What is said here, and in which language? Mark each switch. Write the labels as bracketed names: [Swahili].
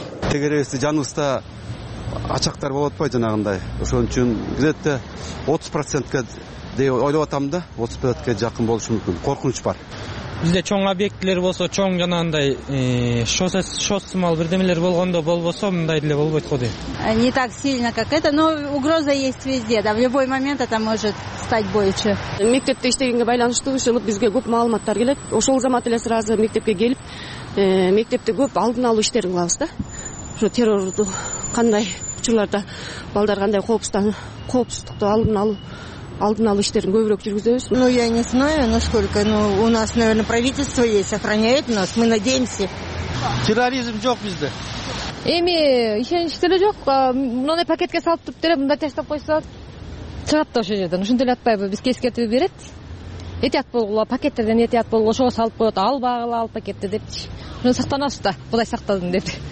[Kyrgyz] Тегеребизди жаныбызда ачактар болуп атпайбы жанагындай? Ошон үчүн [Russian] где-то [Kyrgyz] 30%га деп ойлоп атам да, 30%га жакын болушу мүмкүн. Коркунуч бар. Бизде чоң объектилер болсо, чоң жанагындай шоссе мал бирдемелер болгондо болбосо мындай деле болбойт го дейм. [Russian] Не так сильно как это, но угроза есть везде, да, в любой момент это может стать бойче. [Kyrgyz] Мектепте иштегенге байланыштуу ушул бизге көп маалыматтар келет. Ошол замат эле сразу мектепке келип, мектепте көп алдын алуу иштерин кылабыз да. Ушу террорду кандай учурларда балдар кандай коопсуздукту алдын алуу иштерин көбүрөөк жүргүзөбүз. [Russian] Ну я не знаю, насколько, но у нас, наверное, правительство есть, охраняет нас, мы надеемся. [Kyrgyz] Терроризм жок бизде. Эми ишенич деле жок, мындай пакетке салып туруп деле мындай таштап койсо чыгат да ошол жерден. Ушинтип эле атпайбы, бизге эскертүү берет. Этият болгула, пакеттерден этият болгула, ошого салып коет, ал багыла ал пакетти депчи. Ушуну сактанабыз да, Кудай сактадын деп.